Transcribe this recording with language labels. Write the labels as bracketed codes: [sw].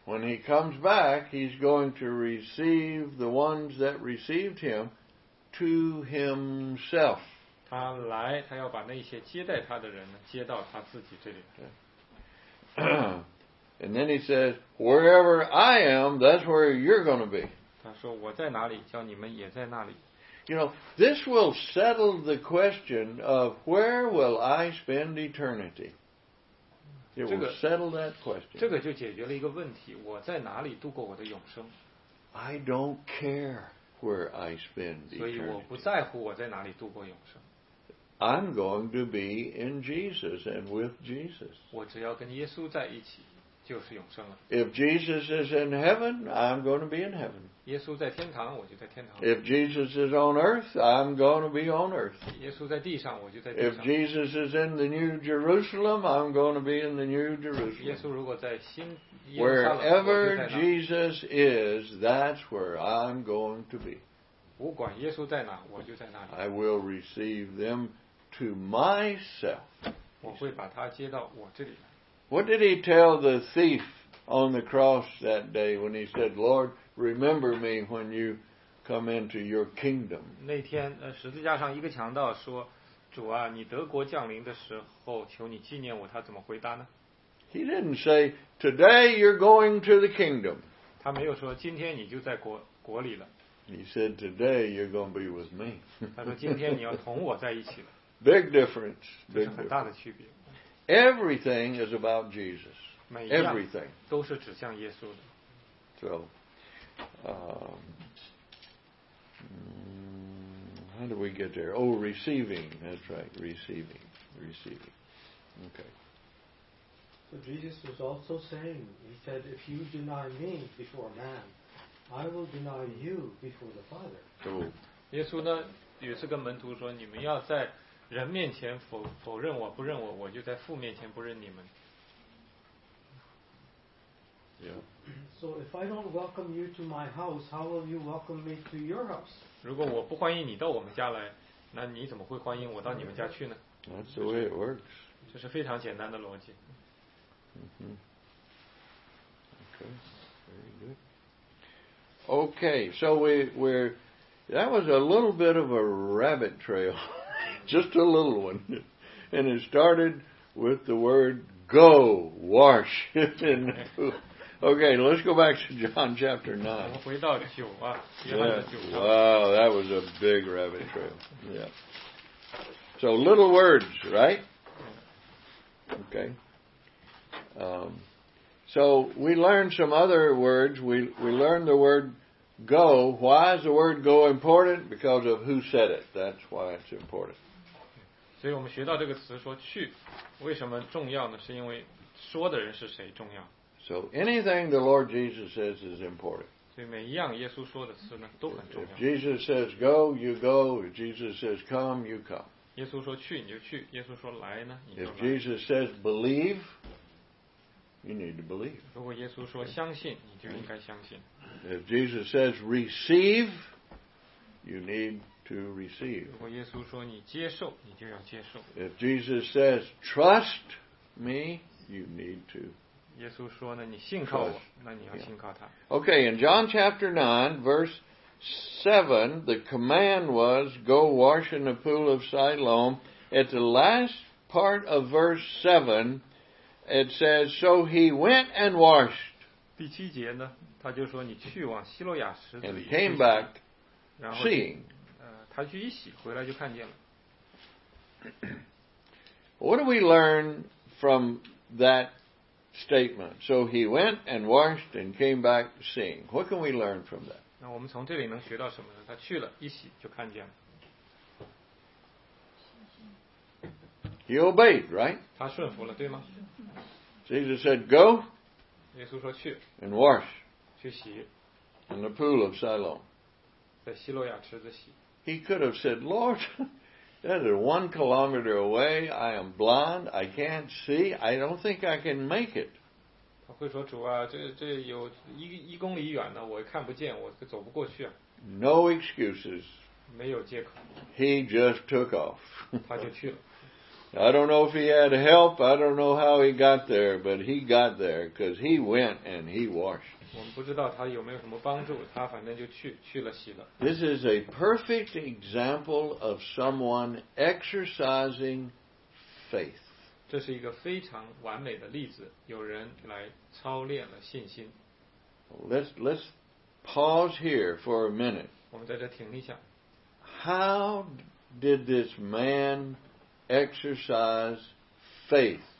[en] When he comes back, he's going to receive the ones that received him to himself. [zh] 他来，他要把那些接待他的人呢，接到他自己这里。对。 [en] And then he says, wherever I am, that's where you're going to be. [zh] 他说我在哪里，叫你们也在那里。 [en] You know, this will settle the question of where will I spend eternity? It will settle that question. [zh] 这个就解决了一个问题，我在哪里度过我的永生？ [en] I don't care where I spend eternity. [zh] 所以我不在乎我在哪里度过永生。 [en] I'm going to be in Jesus and with Jesus. [zh] 我只要跟耶稣在一起，就是永生了。 [en] If Jesus is in heaven, I'm going to be in heaven. [zh] 耶稣在天堂，我就在天堂。 [en] If Jesus is on earth, I'm going to be on earth. [zh] 耶稣在地上，我就在地上。 [en] If Jesus is in the New Jerusalem, I'm going to be in the New Jerusalem. [zh] 耶稣如果在新耶路撒冷，我就在那。 [en] Wherever Jesus is, that's where I'm going to be. [zh] 不管耶稣在哪，我就在那里。 [en] I will receive them to myself. [zh] 我会把他接到我这里来。 [en] What did he tell the thief on the cross that day when he said, Lord, remember me when you come into your kingdom? [zh] 那天，十字架上一个强盗说，主啊，你德国降临的时候，求你纪念我，他怎么回答呢？ [en] He didn't say, today you're going to the kingdom. [zh] 他没有说，今天你就在国里了。 [en] He said, today you're going to be with me. [zh] 他说，今天你要同我在一起了。 [en] Big difference. [zh] 这是很大的区别。 [en] Everything is about Jesus. Everything. [zh] 都是指向耶稣的。 [en] So, how do we get there? Oh, receiving. That's right. Receiving. Okay. So Jesus was also saying, he said, if you deny me before man, I will deny you before the Father. Oh. [zh] 耶稣呢，也是跟门徒说，你们要在人面前否认我不认我，我就在父面前不认你们。 [en] Yeah. So if I don't welcome you to my house, how will you welcome me to your house? [zh] 如果我不欢迎你到我们家来，那你怎么会欢迎我到你们家去呢？ [en] That's the way it works. [zh] 这是非常简单的逻辑。 [en] Mm-hmm. Okay. Very good. Okay. So we're that was a little bit of a rabbit trail. Just a little one. And it started with the word go, wash. Okay, let's go back to John chapter 9. Yeah. Wow, that was a big rabbit trail. Yeah. So little words, right? Okay. So we learned some other words. We learned the word go. Why is the word go important? Because of who said it. That's why it's important. [zh] 所以我们学到这个词说去，为什么重要呢？是因为说的人是谁重要。 [en] So anything the Lord Jesus says is important. [zh] 所以每一样耶稣说的词呢都很重要。 [en] If Jesus says go, you go. If Jesus says come, you come. [zh] 耶稣说去你就去，耶稣说来呢你就来。 [en] If Jesus says believe, you need to believe. [zh] 如果耶稣说相信，你就应该相信。 [en] If Jesus says receive, you need to receive. [zh] 如果耶稣说你接受，你就要接受。 [en] If Jesus says trust me, you need to. [zh] 耶稣说呢，你信靠我，那你要信靠他。 [en] Okay, in John chapter 9, verse 7, the command was go wash in the pool of Siloam. At the last part of verse 7, it says, so he went and washed. [zh] 第七节呢，他就说你去往希罗亚池子里。 [en] And came back, seeing. [zh] 他去一洗回来就看见了。 [en] What do we learn from that statement? So he went and washed and came back seeing. What can we learn from that? [zh] 那我们从这里能学到什么呢？他去了一洗就看见了。 [en] He obeyed, right? [zh] 他顺服了，对吗？ [en] Jesus said, go. [zh] 耶稣说去。 [en] And wash. [zh] 去洗。 [en] In the pool of Siloam. [zh] 在希罗亚池子洗。 [en] He could have said, Lord, that is 1 kilometer away. I am blind. I can't see. I don't think I can make it. [zh] 他会说主啊，这有一公里远呢，我看不见，我走不过去啊。 [en] No excuses. [zh] 没有借口。 [en] He just took off. [zh] 他就去了。 [en] I don't know if he had help. I don't know how he got there, but he got there because he went and he washed. [zh] 我们不知道他有没有什么帮助，他反正就去了洗了。 [en] This is a perfect example of someone exercising faith. [zh] 这是一个非常完美的例子，有人来操练了信心。 [en] Let's pause here for a minute. [zh] 我们在这停一下。 [en] How did this man exercise faith?